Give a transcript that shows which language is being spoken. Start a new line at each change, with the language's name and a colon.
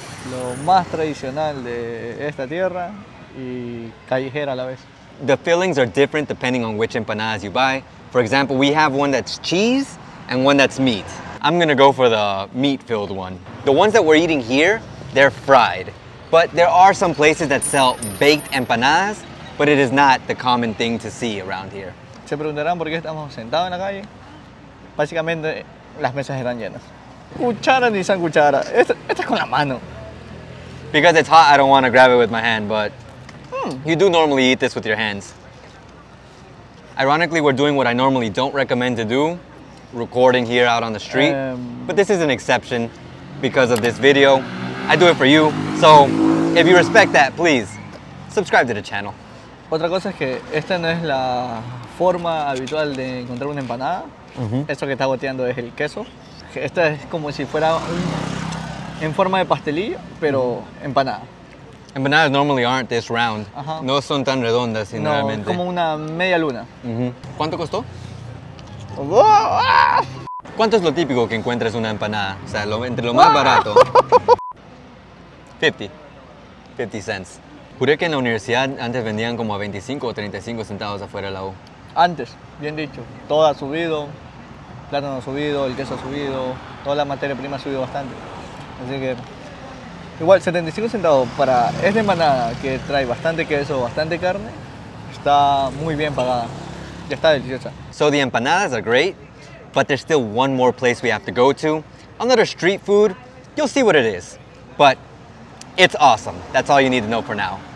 Spanish: Lo más tradicional de esta tierra y callejera a la vez.
English: The fillings are different depending on which empanadas you buy. For example, we have one that's cheese and one that's meat. I'm gonna go for the meat-filled one. The ones that we're eating here, they're fried. But there are some places that sell baked empanadas, but it is not the common thing to see around here.
Spanish: Se preguntarán por qué estamos sentados en la calle. Básicamente, las mesas eran llenas. Cuchara ni san cuchara. Esta es con la mano.
English: Because it's hot, I don't want to grab it with my hand, but you do normally eat this with your hands. Ironically, we're doing what I normally don't recommend to do, recording here out on the street. But this is an exception because of this video. I do it for you, so if you respect that, please subscribe to the channel.
Spanish: Otra cosa es que esta no es la forma habitual de encontrar una empanada. Esto que está goteando es el queso. Esta es como si fuera en forma de pastelillo, pero empanada.
English: Empanadas normally aren't this round.
Spanish: No son tan redondas, generalmente. No, como una media luna. ¿Cuánto costó? ¿Cuánto es lo típico que encuentras una empanada? O sea, entre lo más barato.
English: 50 cents.
Spanish: Juré que en la universidad antes vendían como a 25 o 35 centavos afuera de la U. Antes, bien dicho. Todo ha subido. Plátano ha subido, el queso ha subido. Toda la materia prima ha subido bastante. Así que... Igual, 75 centavos para esta empanada que trae bastante queso, bastante carne, está muy bien pagada. Ya está deliciosa.
English: So the empanadas are great, but there's still one more place we have to go to. Another street food, you'll see what it is. But... It's awesome. That's all you need to know for now.